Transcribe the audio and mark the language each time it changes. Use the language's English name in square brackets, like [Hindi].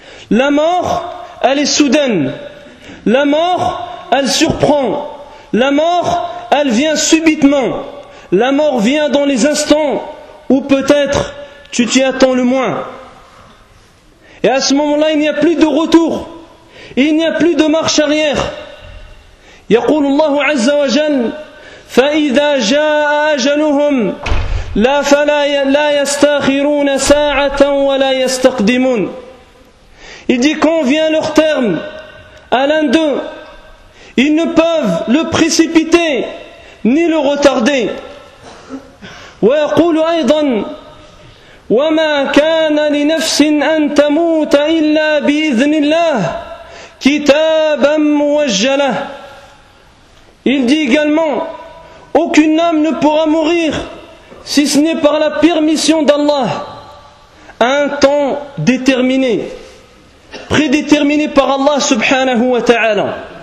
[French] La mort, elle est soudaine. La mort, elle surprend. La mort, elle vient subitement. La mort vient dans les instants où peut-être tu t'y attends le moins. Et à ce moment-là, il n'y a plus de retour. Il n'y a plus de marche arrière. [Arabic] يقول الله عز وجل فإذا جاء أجلهم لا فلا لا يستأخرون ساعة ولا يستقدمون. [French] Il dit: quand vient leur terme à l'un d'eux, ils ne peuvent le précipiter ni le retarder. [Arabic] ويقول أيضا وما كان لنفس أن تموت إلا بإذن الله كتابا موجلا. [French] Il dit également: aucune âme ne pourra mourir si ce n'est par la permission d'Allah, un temps déterminé, prédéterminé par Allah subhanahu wa ta'ala.